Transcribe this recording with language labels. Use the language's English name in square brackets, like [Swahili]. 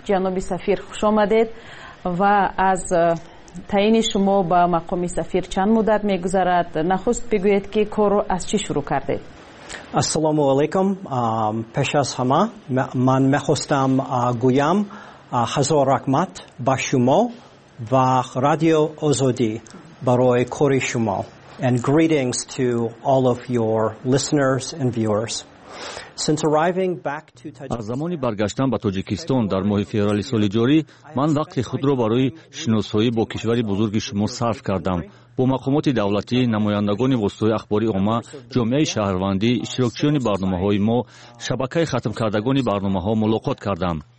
[Persian] جناب سفیر خوش آمدید و از تعیین شما به مقام سفیر چند مدت میگذرد؟ نخست بگویید که کارو از چی شروع کردید؟ السلام علیکم. پیش از همه من میخواستم گویم هزار رحمت با شما و رادیو آزادی برای کاری شما. [English] And greetings to all of your listeners and viewers. Since arriving back to Tajikistan, [Persian] از زمانی برگشتم به تاجیکستان در ماه فوریه سال جاری، من وقت خود را برای شناسایی با کشوری بزرگ شما صرف کردم. با مقامات دولتی، نمایندگان واسطه اخباری عامه، جامعه شهروندی، اشتراکچیان برنامه‌های ما، شبکه ختم کردگان برنامه‌ها ملاقات کردم.